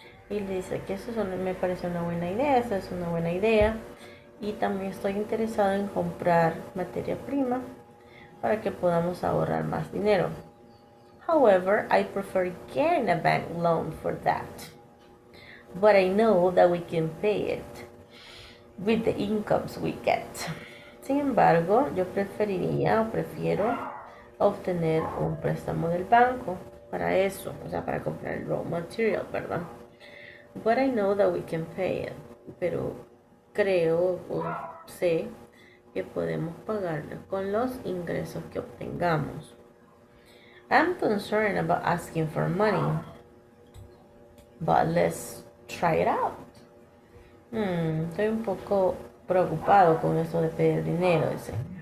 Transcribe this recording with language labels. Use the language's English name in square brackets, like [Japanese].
[Spanish] Y le dice que eso me parece una buena idea, esa es una buena idea. Y también estoy interesado en comprar materia prima para que podamos ahorrar más dinero. [English] However, I prefer getting a bank loan for that. But I know that we can pay it with the incomes we get. [Spanish] Sin embargo, yo preferiría o prefiero obtener un préstamo del banco para eso, o sea, para comprar el raw material, ¿verdad? [English] But I know that we can pay it. [Spanish] Pero creo o sé que podemos pagarlo con los ingresos que obtengamos. [English] I'm concerned about asking for money. But let's try it out. [Spanish] Estoy un poco preocupado con eso de pedir dinero, dice.